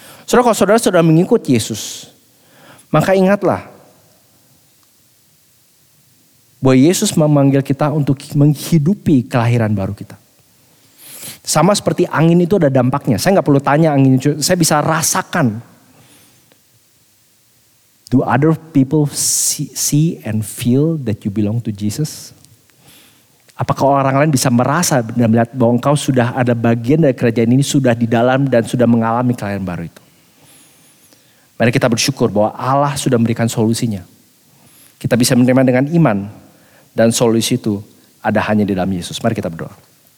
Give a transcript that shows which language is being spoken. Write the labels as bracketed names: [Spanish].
[Indonesian] Saudara, kalau saudara sudah mengikut Yesus. Maka ingatlah. Bahwa Yesus memanggil kita untuk menghidupi kelahiran baru kita. Sama seperti angin itu ada dampaknya. Saya gak perlu tanya angin itu. Saya bisa rasakan. [English] Do other people see and feel that you belong to Jesus? [Indonesian] Apakah orang lain bisa merasa dan melihat bahwa engkau sudah ada bagian dari kerajaan ini, sudah di dalam dan sudah mengalami kelahiran baru itu? Mari kita bersyukur bahwa Allah sudah memberikan solusinya. Kita bisa menerima dengan iman dan solusi itu ada hanya di dalam Yesus. Mari kita berdoa.